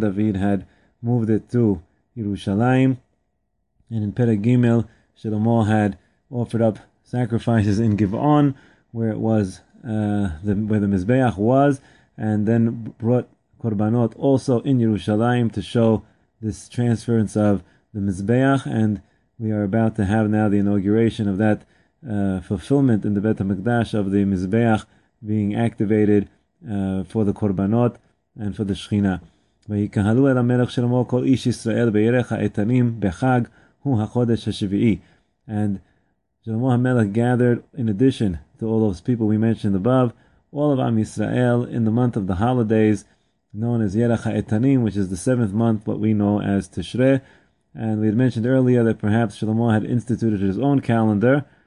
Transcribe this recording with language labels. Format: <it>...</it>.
<en>David had moved it to Yerushalayim. And in Perek Gimel, Shlomo had offered up sacrifices in Gibeon, where it was, where the Mizbeach was, and then brought Korbanot also in Yerushalayim to show this transference of the Mizbeach. And we are about to have now the inauguration of that fulfillment in the Beit HaMikdash of the Mizbeach being activated for the Korbanot and for the Shechina.</en> <he>ויקהלו אל המלך שלמה כל איש ישראל בירך האיתנים בחג הוא החודש השביעי.</he> <en>And Shlomo HaMelech gathered, in addition to all those people we mentioned above, all of Am Yisrael in the month of the holidays, known as Yerech HaEtanim, which is the seventh month, what we know as Tishrei. And we had mentioned earlier that perhaps Shlomo had instituted his own calendar.</en>